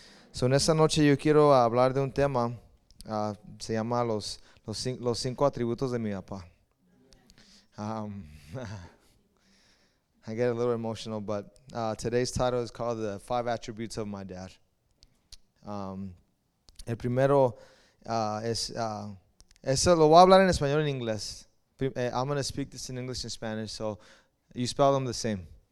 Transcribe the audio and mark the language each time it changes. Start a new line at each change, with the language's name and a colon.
Spanish: So en esta noche yo quiero hablar de un tema. Se llama los cinco atributos de mi papá.
English: I get a little emotional, but today's title is called The Five Attributes of My Dad.
Spanish: El primero es lo voy a hablar en español en inglés.
English: I'm going to speak this in English and Spanish, so you spell them the same.